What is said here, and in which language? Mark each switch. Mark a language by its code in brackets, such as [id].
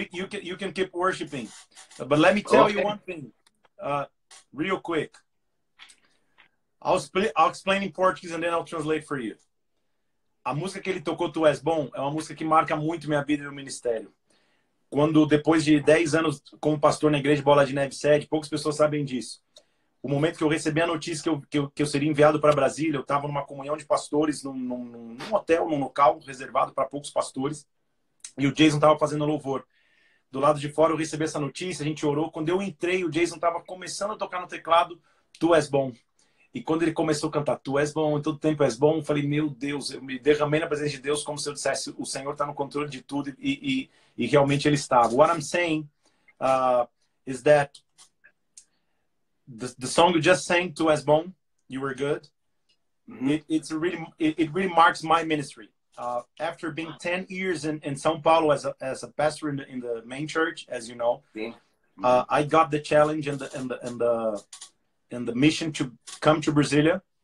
[en] You can keep worshiping, but let me tell you one thing, real quick. I'll explain in Portuguese and then I'll translate for you. [pt] A música que ele tocou, Tu És Bom, é uma música que marca muito minha vida e meu ministério. Quando depois de 10 anos como pastor na igreja Bola de Neve Sede, poucas pessoas sabem disso. O momento que eu recebi a notícia que eu seria enviado para Brasília, eu estava numa comunhão de pastores, num hotel, num local reservado para poucos pastores, e o Jason estava fazendo louvor. Do lado de fora, eu recebi essa notícia, a gente orou. Quando eu entrei, o Jason estava começando a tocar no teclado, Tu És Bom. E quando ele começou a cantar, Tu És Bom, em todo tempo És Bom, eu falei, meu Deus, eu me derramei na presença de Deus como se eu dissesse, o Senhor está no controle de tudo, e realmente Ele estava. [en] What I'm saying is that the song you just sang, Tu És Bom, You Were Good, it really marks my ministry. After being 10 years in São Paulo as a pastor in the main church, as you know, I got the challenge and the mission to come to Brasília.